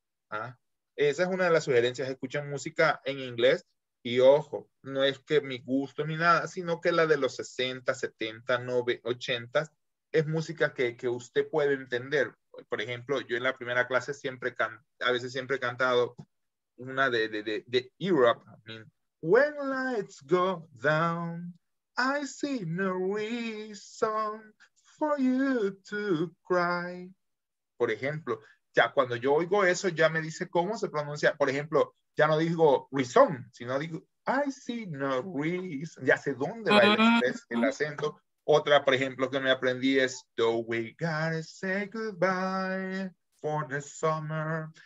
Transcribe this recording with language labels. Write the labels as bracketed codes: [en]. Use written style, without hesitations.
[es] Esa es una de las sugerencias, escuchen música en inglés y ojo, no es que mi gusto ni nada, sino que la de los 60, 70, 90, 80 es música que usted puede entender. Por ejemplo, yo en la primera clase siempre he cantado una de Europe. [en] I mean, when lights go down, I see no reason for you to cry. [es] Por ejemplo, ya cuando yo oigo eso, ya me dice cómo se pronuncia. Por ejemplo, ya no digo reason, sino digo, [en] I see no reason. [es] Ya sé dónde va el acento. Otra, por ejemplo, que me aprendí es, [en] do we gotta say goodbye for the summer?